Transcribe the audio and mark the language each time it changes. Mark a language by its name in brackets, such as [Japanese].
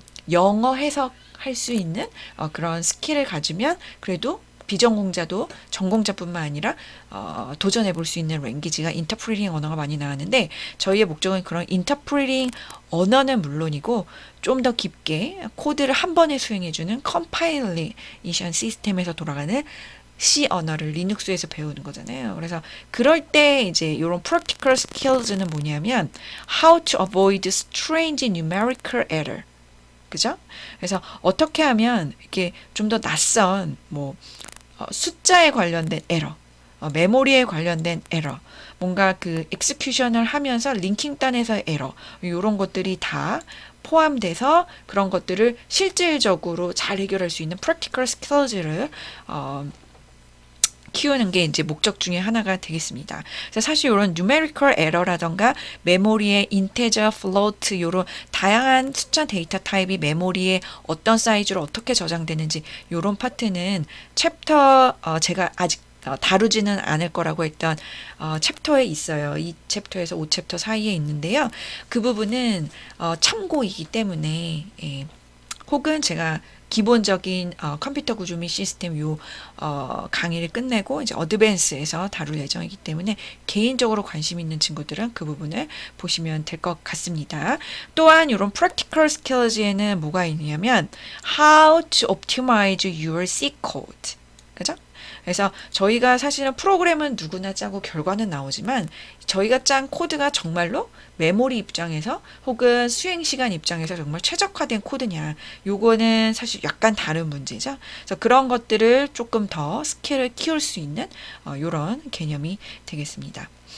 [Korean] 영어 해석할 수 있는 그런 스킬을 가지면 그래도 비전공자도 전공자뿐만 아니라 도전해 볼수 있는 랭귀지가 인터프리팅 언어가 많이 나왔는데 저희의 목적은 그런 인터프리팅 언어는 물론이고 좀더 깊게 코드를 한 번에 수행해 주는 컴파일링 이션 시스템에서 돌아가는 C 언어를 리눅스에서 배우는 거잖아요. 그래서 그럴 때 이제 이런 [English] practical skills는 [Korean] 뭐냐면 [English] how to avoid strange numerical error. [Korean] 그죠? 그래서 어떻게 하면 이게 좀더 낯선 뭐 숫자에 관련된 에러, 메모리에 관련된 에러, 뭔가 그 엑스큐션을 하면서 링킹 단에서의 에러 이런 것들이 다 포함돼서 그런 것들을 실질적으로 잘 해결할 수 있는 [English] practical skills [Korean] 를 키우는 게 이제 목적 중에 하나가 되겠습니다. 그래서 사실 이런 numerical error라던가 메모리의 integer, float 이런 다양한 숫자 데이터 타입이 메모리에 어떤 사이즈로 어떻게 저장되는지 이런 파트는 챕터 제가 아직 다루지는 않을 거라고 했던 챕터에 있어요. 이 챕터에서 5챕터 사이에 있는데요. 그 부분은 참고이기 때문에 혹은 제가 기본적인 컴퓨터 구조 및 시스템 요 강의를 끝내고 이제 어드밴스에서 다룰 예정이기 때문에 개인적으로 관심 있는 친구들은 그 부분을 보시면 될것 같습니다. 또한 이런 [English] practical skills에는 [Korean] 뭐가 있냐면 [English] how to optimize your C code. [Korean] 그죠? 그래서 저희가 사실은 프로그램은 누구나 짜고 결과는 나오지만 저희가 짠 코드가 정말로 메모리 입장에서 혹은 수행 시간 입장에서 정말 최적화된 코드냐. 요거는 사실 약간 다른 문제죠. 그래서 그런 것들을 조금 더 스킬을 키울 수 있는 요런 개념이 되겠습니다.